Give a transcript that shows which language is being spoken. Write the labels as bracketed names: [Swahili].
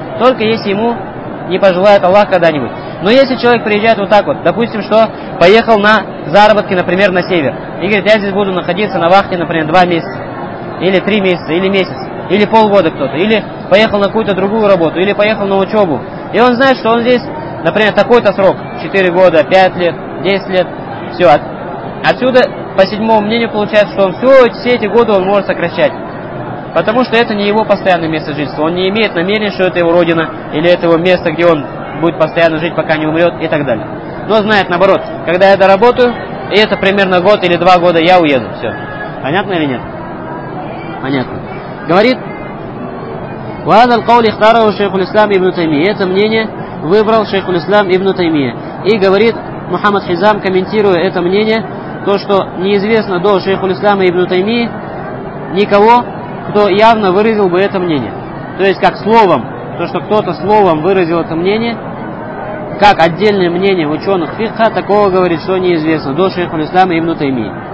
[Russian] Только если ему не пожелает Аллах когда-нибудь. Но если человек приезжает вот так вот, допустим, что поехал на заработки, например, на север, и говорит, я здесь буду находиться на вахте, например, 2 месяца, или 3 месяца, или месяц, или полгода кто-то, или поехал на какую-то другую работу, или поехал на учебу, и он знает, что он здесь, например, такой-то срок, 4 года, 5 лет, 10 лет, все, отсюда, по седьмому мнению, получается, что он все эти годы он может сокращать, потому что это не его постоянное место жительства, он не имеет намерения, что это его родина, или это его место, где он будет постоянно жить, пока не умрет, и так далее. Но знает, наоборот, когда я доработаю, и это примерно год или 2 года, я уеду, все. Понятно или нет? Понятно. Говорит, [Arabic] وَهَذَا الْقَوْلِ اخْتَارَهُ شَيْخُ الْإِسْلَامِ إِبْنُ تَيْمِيَةَ. [Russian] Это мнение выбрал шейх ислам Ибн Таймия. И говорит Мухаммад Хизам, комментируя это мнение, то, что неизвестно до шейху ислама Ибн Таймии никого, кто явно выразил бы это мнение. То есть, как словом, то, что кто-то словом выразил это мнение, как отдельное мнение ученых фикха, такого говорит, что неизвестно до шейху ислама Ибн Таймии.